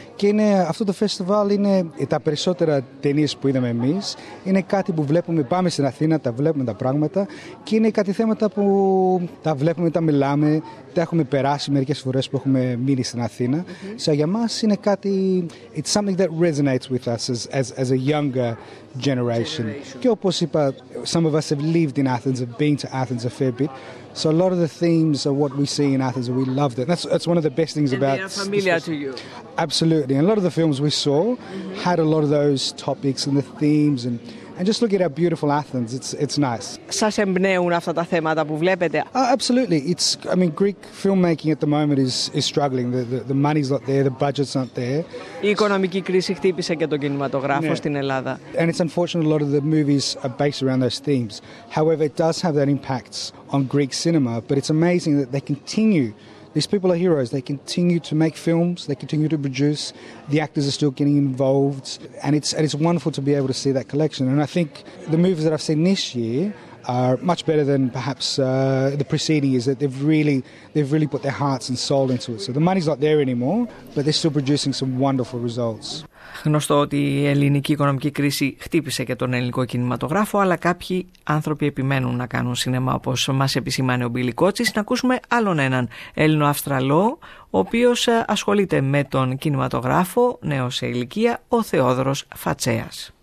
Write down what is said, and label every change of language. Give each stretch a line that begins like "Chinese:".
Greek: Και είναι, αυτό το φεστιβάλ είναι τα περισσότερα ταινίες που είδαμε εμείς. Είναι κάτι που βλέπουμε. Πάμε στην Αθήνα, τα βλέπουμε τα πράγματα. Και είναι κάτι θέματα που τα βλέπουμε, τα μιλάμε. Τα έχουμε περάσει μερικές φορές που έχουμε μείνει στην Αθήνα. Mm-hmm. So, για μας είναι κάτι.
English: It's something that resonates with us as a younger generation.
Greek: Και όπως είπα,
English: some of us have lived in Athens, have been to Athens a fair bit. So a lot of the themes are what we see in Athens, and we loved it. That's one of the best things and about. And they are familiar to you. Absolutely, and a lot of the films we saw mm-hmm. had a lot of those topics and the themes, and just look at our beautiful Athens. It's nice.
Greek: Σας εμπνέουν αυτά τα θέματα που βλέπετε?
English: Absolutely. It's, I mean, Greek filmmaking at the moment is struggling. The money's not there. The budget's not there.
Greek: Η οικονομική κρίση χτύπησε και τον κινηματογράφο στην Ελλάδα.
English: And it's unfortunate a lot of the movies are based around those themes. However, it does have that impact on Greek cinema, but it's amazing that they continue. These people are heroes. They continue to make films, they continue to produce, the actors are still getting involved, and it's wonderful to be able to see that collection. And I think the movies that I've seen this year are much better than perhaps the preceding is that they've really put their hearts and soul into it. So the money's not there anymore, but they're still producing some wonderful results.
Greek: Γνωστό ότι η ελληνική οικονομική κρίση χτύπησε και τον ελληνικό κινηματογράφο, αλλά κάποιοι άνθρωποι επιμένουν να κάνουν σινεμά, όπως μας επισημάνε ο Μπίλι Κότσης. Να ακούσουμε άλλον έναν Έλληνο-Αυστραλό, ο οποίος ασχολείται με τον κινηματογράφο, νέος σε ηλικία, ο Θεόδωρος Φατσέας.